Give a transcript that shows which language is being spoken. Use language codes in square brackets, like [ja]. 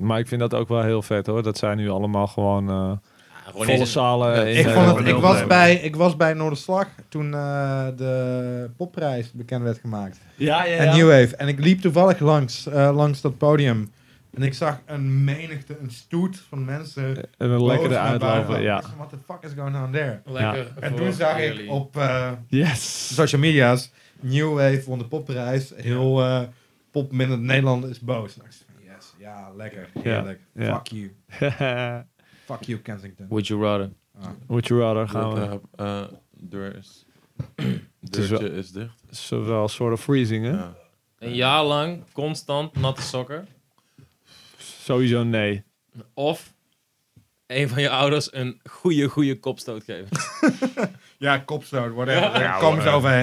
[nl] Maar ik vind dat ook wel heel vet hoor. Dat zijn nu allemaal gewoon volle zalen. Ik was bij Noorderslag toen de popprijs bekend werd gemaakt. Ja. En New Wave. En ik liep toevallig langs dat podium. En ik zag een menigte, een stoet van mensen. En een lekkere uitlopen, ja. [en] What the fuck is going on there? [nl] Lekker. Ja. En toen zag ik op [en] social [nl] media's, New Wave won de popprijs. Heel pop minder Nederland is boos. Ja, lekker. Heerlijk. [en] Yeah. Fuck you. Fuck you, [nl] Kensington. [en] Would you rather? Ah. Would you rather [nl] gaan we? Deurtje is dicht. Het is wel een soort of freezing, hè? [en] Yeah. [nl] Een jaar lang, constant, natte sokken. Sowieso nee. Of een van je ouders een goede kopstoot geven. Ja, kopstoot, whatever. Ja, kom ze overheen.